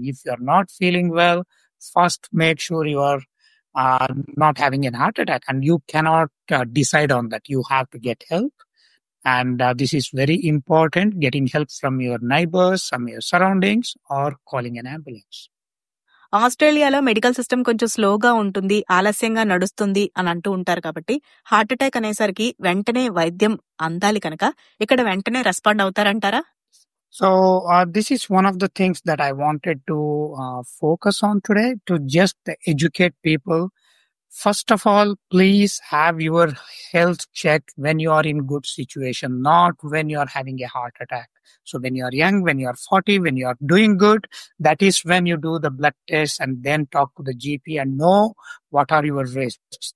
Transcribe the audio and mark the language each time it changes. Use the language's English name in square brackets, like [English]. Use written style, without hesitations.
[English] If you're not feeling well, first make sure you are not having a heart attack. And you cannot decide on that. You have to get help. And this is very important, getting help from your neighbors, from your surroundings, or calling an ambulance. [Telugu] ఆస్ట్రేలియాలో medical system కొంచెం స్లోగా ఉంటుంది, ఆలస్యంగా నడుస్తుంది అని అంటూ ఉంటారు. కాబట్టి హార్ట్ అటాక్ అనేసరికి వెంటనే వైద్యం అందాలి కనుక ఇక్కడ వెంటనే respond అవుతారంటారా? [English] So this is one of the things that I wanted to focus on today, to just educate people. First of all, please have your health check when you are in good situation, not when you are having a heart attack. So when you are young, when you are 40, when you are doing good, that is when you do the blood test and then talk to the GP and know what are your risks.